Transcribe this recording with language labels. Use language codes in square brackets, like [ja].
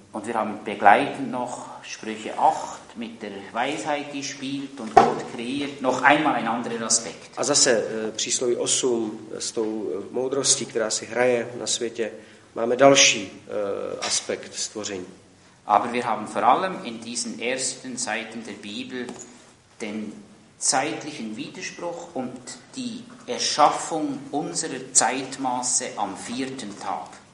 [de] Und wir haben begleitend noch Sprüche 8 mit der Weisheit, die spielt und Gott kreiert, noch einmal ein anderer Aspekt. [cs] A zase přísloví 8 s tou moudrostí, která si hraje na světě, máme další aspekt stvoření. [de] Aber wir haben vor allem in diesen ersten Seiten der Bibel den zeitlichen Widerspruch und die Erschaffung unserer Zeitmaße am vierten Tag.